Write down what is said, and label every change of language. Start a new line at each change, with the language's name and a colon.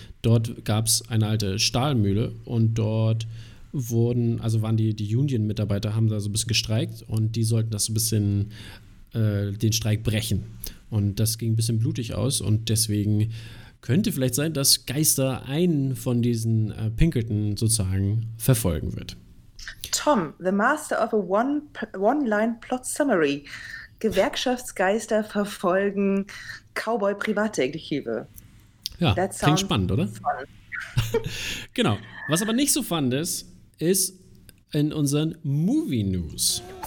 German: Dort gab es eine alte Stahlmühle und dort waren die Union-Mitarbeiter, haben da so ein bisschen gestreikt und die sollten das so ein bisschen den Streik brechen. Und das ging ein bisschen blutig aus und deswegen könnte vielleicht sein, dass Geister einen von diesen Pinkerton sozusagen verfolgen wird.
English: Tom, the master of a one-line-plot-summary.
German: Gewerkschaftsgeister verfolgen Cowboy-Privatdetektive. Ja, klingt spannend, oder? Genau. Was aber nicht so fun ist in unseren Movie-News.